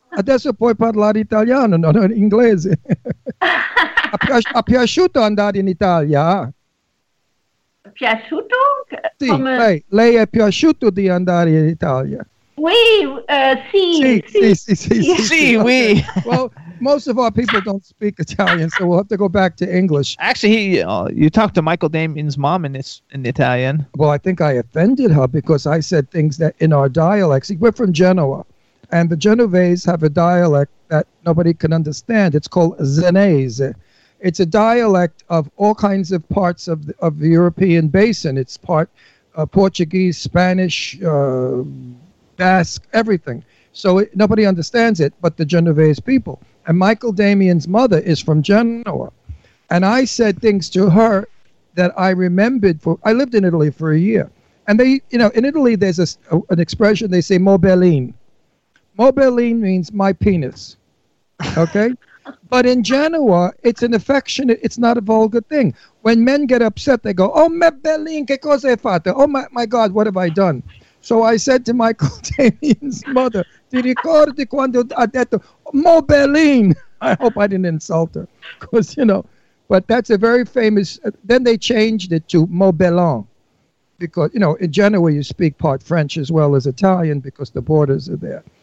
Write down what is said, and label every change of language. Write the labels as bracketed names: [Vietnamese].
[Italian] Adesso puoi parlare italiano, non in inglese. Ha piaciuto andare in Italia? Piaciuto? Sì, lei è piaciuto di andare in Italia? Sì. [English] Well, most of our people don't speak Italian, so we'll have to go back to English. Actually, you talked to Michael Damien's mom in Italian. Well, I think I offended her because I said things that in our dialect. See, we're from Genoa, and the Genovese have a dialect that nobody can understand. It's called Zenese. It's a dialect of all kinds of parts of the European basin. It's part Portuguese, Spanish, Basque, everything. So nobody understands it but the Genovese people. And Michael Damien's mother is from Genoa. And I said things to her that I remembered. I lived in Italy for a year. And they, you know, in Italy, there's an expression, they say, mobelline. Mobelline means my penis. Okay? But in Genoa, it's an affectionate, it's not a vulgar thing. When men get upset, they go, oh, me bellin, [Italian] che cosa hai fatto? [English] Oh, my God, what have I done? So I said to Michael Damien's mother, [Italian] ti ricordi quando ha detto, [English] mo bellin? I hope I didn't insult her, because, you know, but that's a very famous, then they changed it to mo bellin, because, you know, in Genoa, you speak part French as well as Italian, because the borders are there.